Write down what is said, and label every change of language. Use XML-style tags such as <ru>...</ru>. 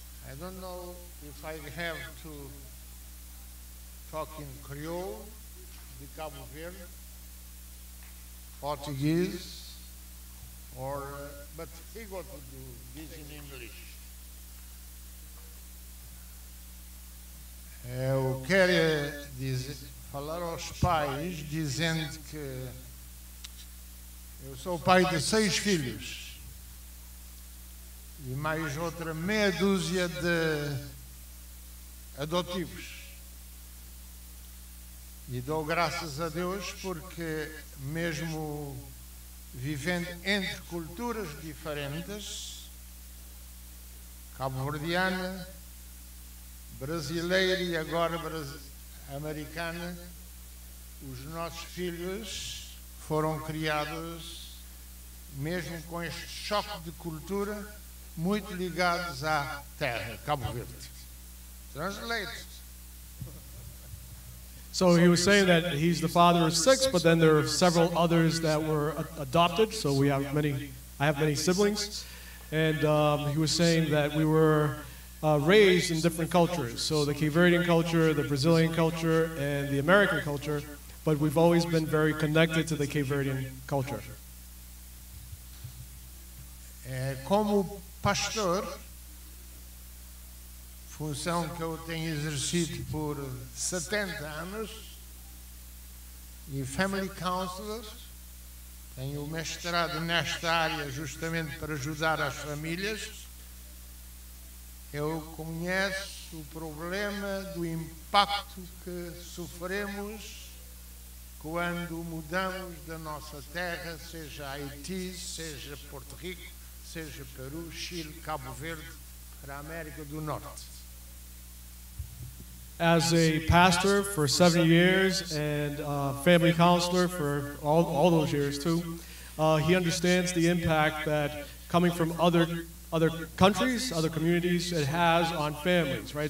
<en>I don't know if I have to talk in Creole, the Cabo Verde, Portuguese, or but he got to do this in English.</en> <pt>Eu quero falar aos pais dizendo que eu sou pai de seis filhos. e mais outra meia dúzia de adotivos. E dou graças a Deus porque, mesmo vivendo entre culturas diferentes, cabo-verdiana, brasileira e agora americana, os nossos filhos foram criados, mesmo com este choque de cultura, muito ligados à terra, Cabo Verde.</pt> <en>Translate. So he was saying that he's the father of six, but then there are several others that were adopted, so we have many, I have many siblings. And he was saying that we were raised in different cultures, so the Cape Verdean culture, the Brazilian culture, and the American culture, but we've always been very connected to the Cape Verdean culture.</en> <pt>Como pastor, função que eu tenho exercido por 70 anos, e</pt> <en>family counselor,</en> <pt>tenho mestrado nesta área justamente para ajudar as famílias, eu conheço o problema do impacto que sofremos quando mudamos da nossa terra, seja Haiti, seja Porto Rico, seja Peru, Chile, Cabo Verde, para a América do Norte.</pt> <en>As a pastor for 7 years and a family counselor for all those years too, he understands the impact that coming from other countries, other communities, it has on families, right?</en>